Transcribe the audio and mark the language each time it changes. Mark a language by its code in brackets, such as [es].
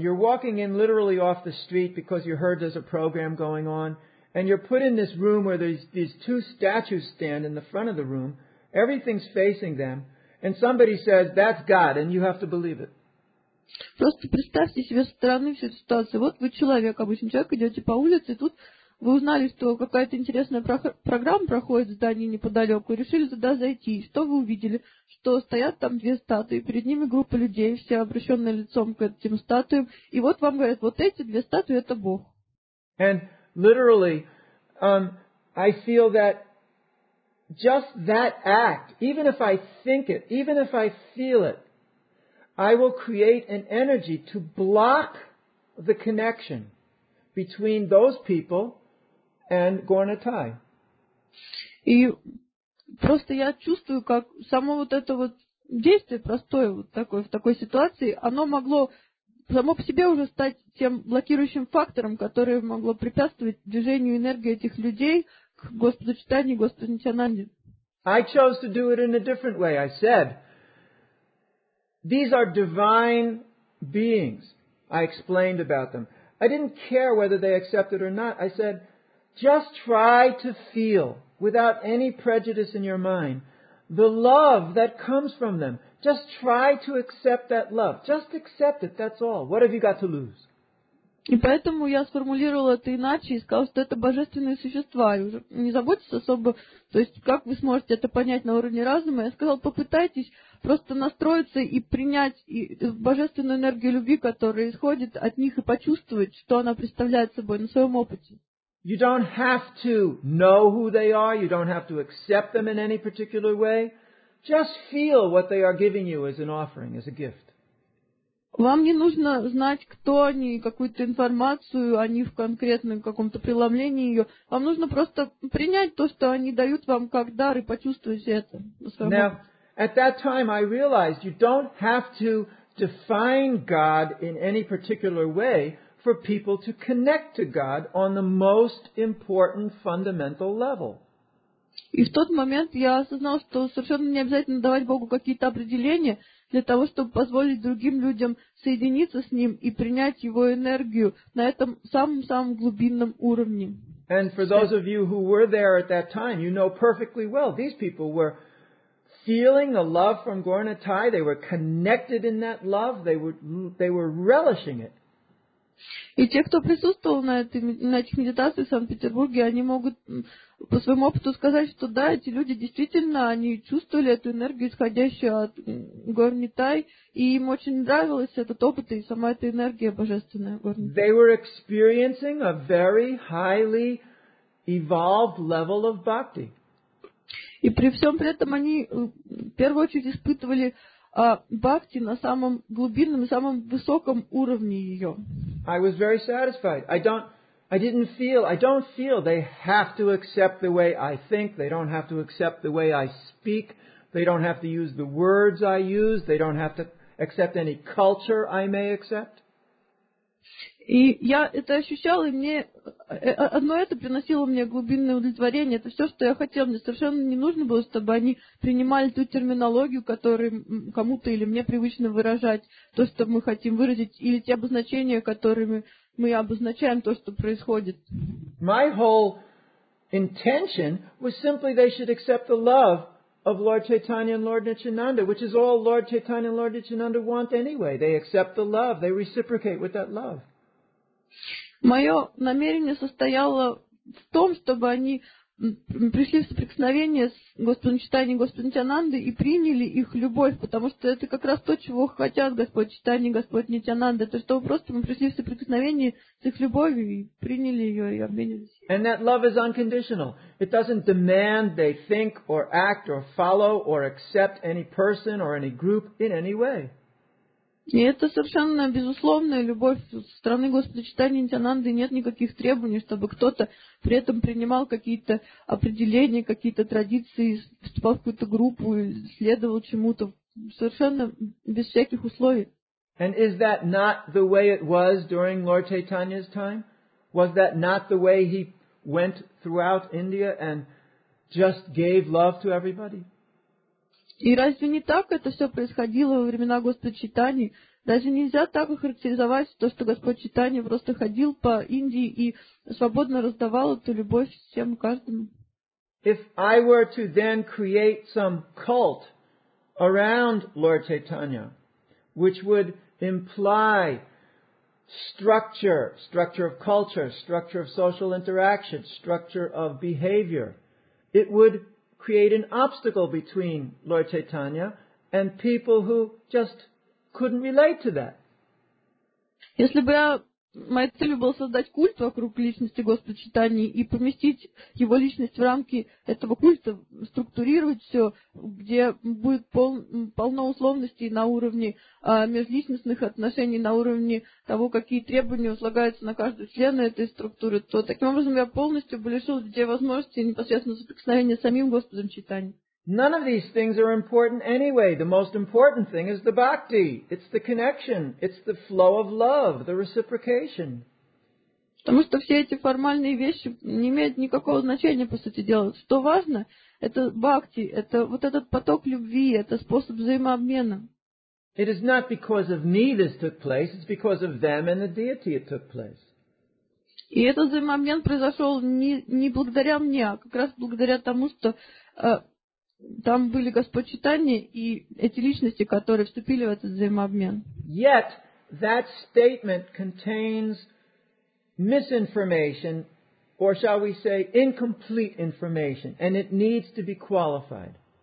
[en] You're walking in literally off the street because you heard there's a program going on, and you're put in this room where these two statues stand in the front of the room. Everything's facing them, and somebody says, that's God, and you have to believe it. [ru] Просто представьте себе со стороны всю эту ситуацию. Вот вы человек, обычный человек, идете по улице, и тут вы узнали, что какая-то интересная программа проходит в здании неподалеку, и решили туда зайти. И что вы увидели? Что стоят там две статуи, перед ними группа людей, все обращенные лицом к этим статуям, и вот вам говорят, вот эти две статуи — это Бог. [en] And literally, I feel that just that act, even if I think it, even if I feel it, I will create an energy to block the connection between those people and Gornatai. [ru] И просто я чувствую, как само вот это вот действие простое вот такое, в такой ситуации, оно могло само по себе уже стать тем блокирующим фактором, которое могло препятствовать движению энергии этих людей Господу Читании, Господу Нитянанде. [en] I chose to do it in a different way. I said, these are divine beings. I explained about them. I didn't care whether they accepted or not. I said, just try to feel, without any prejudice in your mind, the love that comes from them. Just try to accept that love. Just accept it. That's all. What have you got to lose? [ru] И поэтому я сформулировала это иначе и сказала, что это божественные существа. И уже не заботьтесь особо, то есть как вы сможете это понять на уровне разума. Я сказала, попытайтесь просто настроиться и принять божественную энергию любви, которая исходит от них, и почувствовать, что она представляет собой на своем опыте. [en] You don't have to know who they are. You don't have to accept them in any particular way. Just feel what they are giving you as an offering, as a gift. [ru] Вам не нужно знать, кто они, какую-то информацию о них в конкретном каком-то преломлении ее. Вам нужно просто принять то, что они дают вам как дар, и почувствовать это. [en] Now, at that time I realized you don't have to define God in any particular way for people to connect to God on the most important fundamental level. [ru] И в тот момент я осознал, что совершенно не обязательно давать Богу какие-то определения для того, чтобы позволить другим людям соединиться с Ним и принять Его энергию на этом самом-самом глубинном уровне. [en] And for those of you who were there at that time, you know perfectly well, these people were feeling the love from Gornatai, they were connected in that love, they were relishing it. [ru] И те, кто присутствовал на этих медитациях в Санкт-Петербурге, они могут по своему опыту сказать, что да, эти люди действительно, они чувствовали эту энергию, исходящую от Горнитай, и им очень нравилось этот опыт и сама эта энергия божественная Горнитай. [en] They were experiencing a very highly evolved level of bhakti. [ru] И при всем при этом они в первую очередь испытывали бхакти на самом глубинном, самом высоком уровне ее. [en] I was very satisfied. I don't feel they have to accept the way I think. They don't have to accept the way I speak. They don't have to use the words I use. They don't have to accept any culture I may accept. [ru] И я это ощущала, и мне одно это приносило мне глубинное удовлетворение. Это все, что я хотела. Мне совершенно не нужно было, чтобы они принимали ту терминологию, которую кому-то или мне привычно выражать, то, что мы хотим выразить, или те обозначения, которыми мы обозначаем то, что происходит. [en] My whole intention was simply they should accept the love of Lord Chaitanya and Lord Nityananda, which is all Lord Chaitanya and Lord Nityananda want anyway. They accept the love. They reciprocate with that love. [ru] Мое намерение состояло в том, чтобы они пришли в соприкосновение с Господом Чайтаньей и Господом Нитьянандой и приняли их любовь, потому что это как раз то, чего хотят Господь Чайтанья и Господь Нитьянанда, это чтобы просто мы пришли в соприкосновение с их любовью и приняли ее и обменялись. [en] And that love is unconditional. It doesn't demand they think or act or follow or accept any person or any group in any way. [ru] И это совершенно безусловная любовь со стороны Господа Чайтаньи Нитьянанды, нет никаких требований, чтобы кто-то при этом принимал какие-то определения, какие-то традиции, вступал в какую-то группу, следовал чему-то, совершенно без всяких условий. [en] And is that not the way it was during Lord Chaitanya's time? Was that not the way he went throughout India and just gave love to everybody? [ru] И разве не так это все происходило во времена Господа Чайтаньи? Разве нельзя так охарактеризовать то, что Господь Чайтанья просто ходил по Индии и свободно раздавал эту любовь всем и каждому? [en] If I were to then create some cult around Lord Chaitanya, which would imply structure of culture, structure of social interaction, structure of behavior, it would create an obstacle between Lord Chaitanya and people who just couldn't relate to that. [ru] Если бы моя цель была создать культ вокруг личности Господа Чайтаньи и поместить его личность в рамки этого культа, структурировать все, где будет полно условностей на уровне межличностных отношений, на уровне того, какие требования возлагаются на каждого члена этой структуры, то таким образом я полностью бы лишил людей возможности непосредственно соприкосновения с самим Господом Чайтаньей. [en] None of these things are important anyway. The most important thing is the bhakti. It's the connection. It's the flow of love, the reciprocation. [ru] Потому что все эти формальные вещи не имеют никакого значения, по сути дела. Что важно, это бхакти, это вот этот поток любви, это способ взаимообмена. [en] It is not because of me this took place, it's because of them and the deity it took place. [ru] И этот взаимообмен произошел не благодаря мне, а как раз благодаря тому, что там были Господь Чайтанья и эти личности, которые вступили в этот взаимообмен. [en] Yet that statement contains misinformation, or shall we say incomplete information, and it needs to be qualified.